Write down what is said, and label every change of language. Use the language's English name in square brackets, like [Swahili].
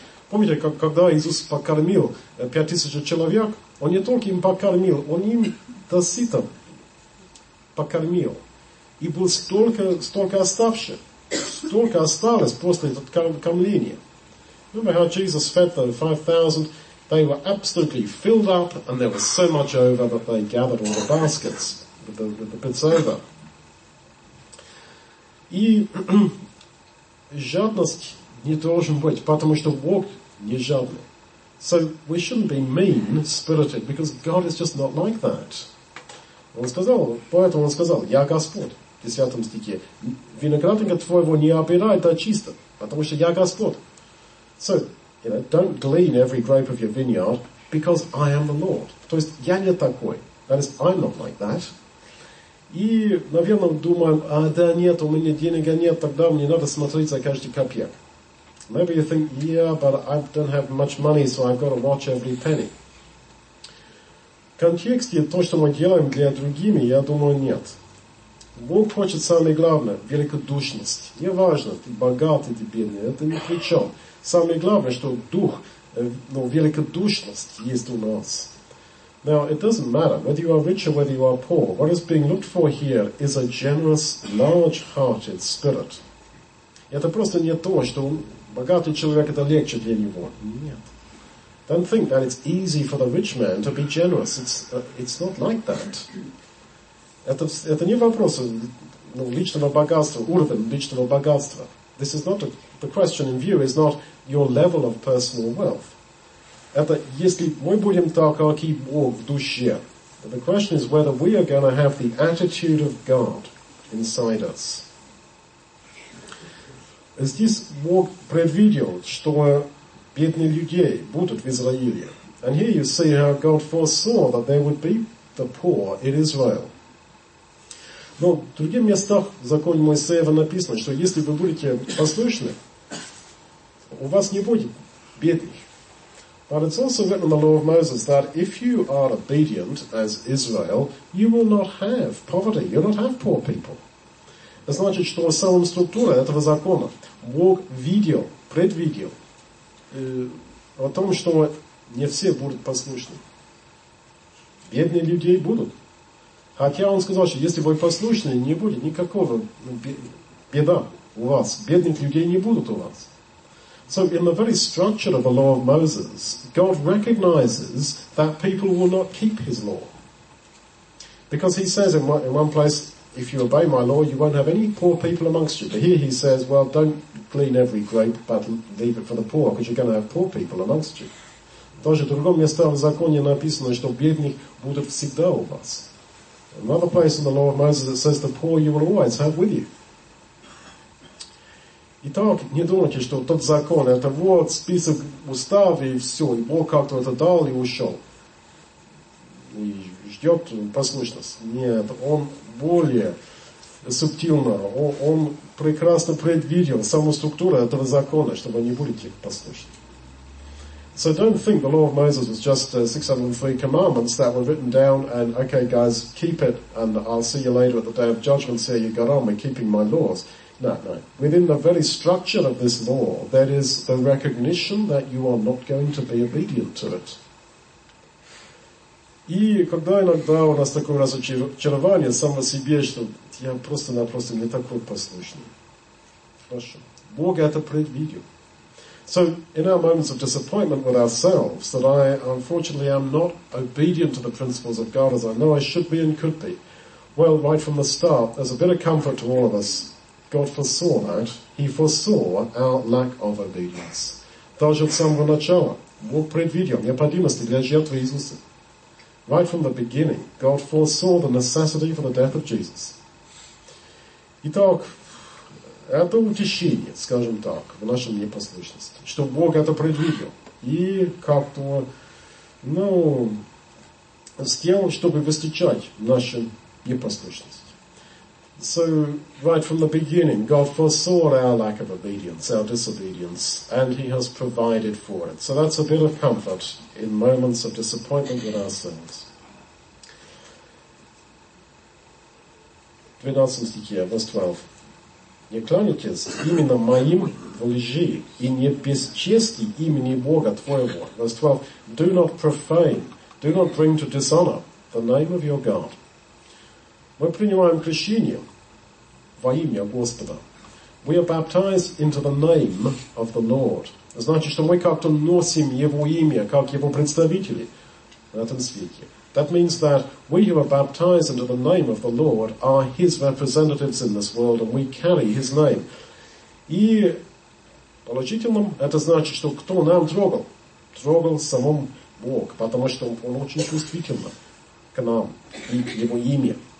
[Russian] Помните, когда Иисус покормил 5000 человек, Он не только им покормил, Он им до сыта покормил. И было столько осталось после этого кормления. [English] Remember how Jesus fed the 5,000? They were absolutely filled up, and there was so much over that they gathered all the baskets with the bits over. [Russian] И жадность не должен быть, потому что Бог не жадный. [English] So we shouldn't be mean-spirited, because God is just not like that. [Russian] Поэтому он сказал, я Господь, в 10 стихе, виноградника твоего не обирай до чистого, потому что я Господь. [English] So, you know, don't glean every grape of your vineyard, because I am the Lord. [Russian] То есть, я не такой. [English] That is, I'm not like that. [Russian] И, наверное, думаем, а да нет, у меня денег нет, тогда мне надо смотреть за каждый копеек. [English] Maybe you think, yeah, but I don't have much money, so I've got to watch every penny. [Russian] Контексте то, что мы делаем для другими, я думаю, нет. Бог хочет самое главное – великодушность. Неважно, ты богат или бедный, это ни при чем. Самое главное, что дух, ну, великодушность есть у нас. [English] Now, it doesn't matter whether you are rich or whether you are poor. What is being looked for here is a generous, large-hearted spirit. [Russian] Это просто не то, что богатый человек – это легче для него. Нет. [English] Don't think that it's easy for the rich man to be generous. It's not like that. [Russian] Это не вопрос, ну, личного богатства, уровень личного богатства. [English] This is not the question in view is not your level of personal wealth. [Russian] Это если мы будем так, как и Бог в душе. [English] But the question is whether we are going to have the attitude of God inside us. [Russian] Здесь Бог предвидел, что бедные люди будут в Израиле. [English] And here you see how God foresaw that there would be the poor in Israel. [Russian] Но в других местах в законе Моисеева написано, что если вы будете послушны, у вас не будет бедных. [English] But it's also written in the law of Moses that if you are obedient as Israel, you will not have poverty, you will not have poor people. [Russian] Это значит, что сама структура этого закона, Бог видел, предвидел о том, что не все будут послушны. Бедные люди будут. Хотя он сказал, что если вы послушны, не будет никакого беда у вас. Бедных людей не будут у вас. [English] So in the very structure of the law of Moses, God recognizes that people will not keep his law. Because he says in one place, if you obey my law, you won't have any poor people amongst you. But here he says, well, don't glean every grape, but leave it for the poor, because you're going to have poor people amongst you. [Russian] Даже в другом месте в законе написано, что бедных будут всегда у вас. [English] Another place in the law of Moses that says the poor you will always have with you. [Russian] Итак, не думайте, что тот закон, это вот список устав и все, и Бог как-то это дал и ушел. И ждет послушность. Нет, он более субтильно, он прекрасно предвидел саму структуру этого закона, чтобы они были тех послушны. [English] So don't think the law of Moses was just 603 commandments that were written down and, okay, guys, keep it and I'll see you later at the day of judgment, say you got on with keeping my laws. No, no. Within the very structure of this law, that is the recognition that you are not going to be obedient to it. [Russian] И когда иногда у нас такое разочарование само себе, что я просто-напросто не такой послушный. Хорошо. Бог это предвидел. [English] So, in our moments of disappointment with ourselves, that I unfortunately am not obedient to the principles of God as I know I should be and could be. Well, right from the start, there's a bit of comfort to all of us. God foresaw that. He foresaw our lack of obedience. [Russian] Даже от самого начала, Бог предвидел необходимости для жертвы Иисуса. [English] Right from the beginning, God foresaw the necessity for the death of Jesus. [Russian] Итак, это утешение, скажем так, в нашем непослушности, что Бог это предвидел. И как-то, ну, с тем, чтобы встречать нашу непослушность. [English] So, right from the beginning, God foresaw our lack of obedience, our disobedience, and He has provided for it. So that's a bit of comfort in moments of disappointment with ourselves. [Russian] 12 стихе, [English] verse 12. [Russian] Не кланяйтесь именно моим в лжи, и не бесчести имени Бога твоего. [English] Verse 12. Do not profane, do not bring to dishonor the name of your God. [Russian] Мы принимаем крещение во имя Господа. [English] We are baptized into the name of the Lord. [Russian] Значит, что мы как-то носим Его имя, как Его представители на этом свете. [English] That means that we who are baptized into the name of the Lord are His representatives in this world, and we carry His name. [Russian] И положительным это значит, что кто нам трогал? Трогал самом Бог, потому что Он очень чувствительный к нам и Его имя.